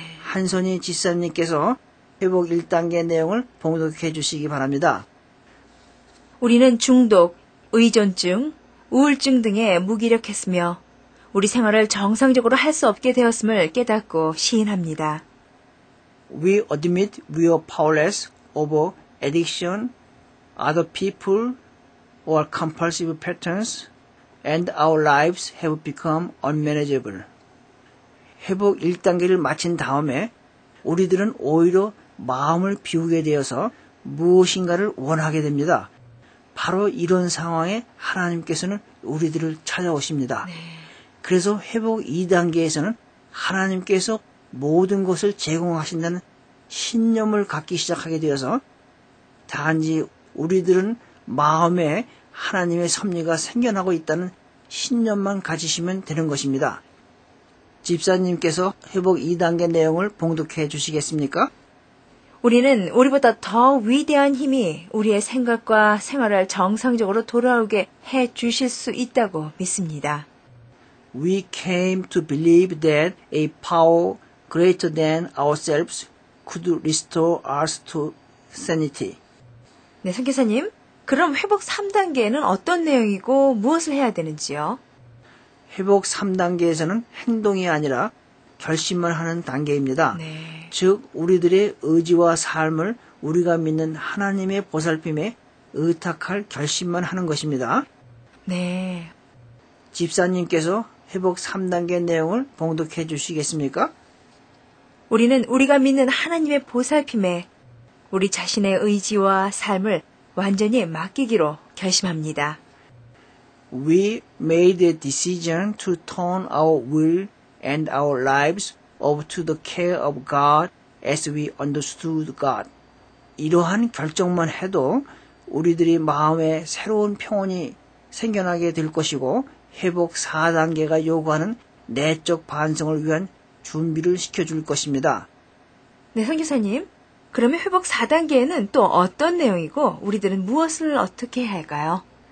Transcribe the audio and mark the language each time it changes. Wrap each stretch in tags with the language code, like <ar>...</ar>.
<ko>한선희 집사님께서 회복 1단계 내용을 봉독해 주시기 바랍니다. 우리는 중독, 의존증, 우울증 등에 무기력했으며 우리 생활을 정상적으로 할 수 없게 되었음을 깨닫고 시인합니다.</ko> <en>We admit we are powerless over addiction, other people, or compulsive patterns, and our lives have become unmanageable.</en> <ko>회복 1단계를 마친 다음에 우리들은 오히려 마음을 비우게 되어서 무엇인가를 원하게 됩니다. 바로 이런 상황에 하나님께서는 우리들을 찾아오십니다. 네. 그래서 회복 2단계에서는 하나님께서 모든 것을 제공하신다는 신념을 갖기 시작하게 되어서 단지 우리들은 마음에 하나님의 섭리가 생겨나고 있다는 신념만 가지시면 되는 것입니다. 집사님께서 회복 2단계 내용을 봉독해 주시겠습니까? 우리는 우리보다 더 위대한 힘이 우리의 생각과 생활을 정상적으로 돌아오게 해 주실 수 있다고 믿습니다.</ko> <en>We came to believe that a power greater than ourselves could restore us to sanity.</en> <ko>네, 선교사님. 그럼 회복 3단계에는 어떤 내용이고 무엇을 해야 되는지요? 회복 3단계에서는 행동이 아니라 결심만 하는 단계입니다. 네. 즉, 우리들의 의지와 삶을 우리가 믿는 하나님의 보살핌에 의탁할 결심만 하는 것입니다. 네. 집사님께서 회복 3단계 내용을 봉독해 주시겠습니까? 우리는 우리가 믿는 하나님의 보살핌에 우리 자신의 의지와 삶을 완전히 맡기기로 결심합니다.</ko> <en>We made a decision to turn our will and our lives of to the care of God as we understood God.</en> <ko>이러한 결정만 해도 우리들이 마음에 새로운 평온이 생겨나게 될 것이고 회복 4단계가 요구하는 내적 반성을 위한 준비를 시켜줄 것입니다. 네, 선교사님. 그러면 회복 4단계에는 또 어떤 내용이고 우리들은 무엇을 어떻게 할까요?</ko>